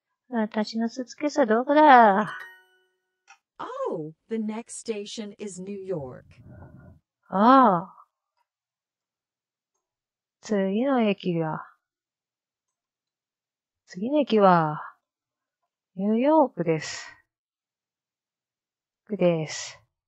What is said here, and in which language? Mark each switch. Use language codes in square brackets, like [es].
[ja] 私のスーツケースはどこだ? [en] The next station is New York. ああ。 [ja] 次の駅はニューヨークです。です。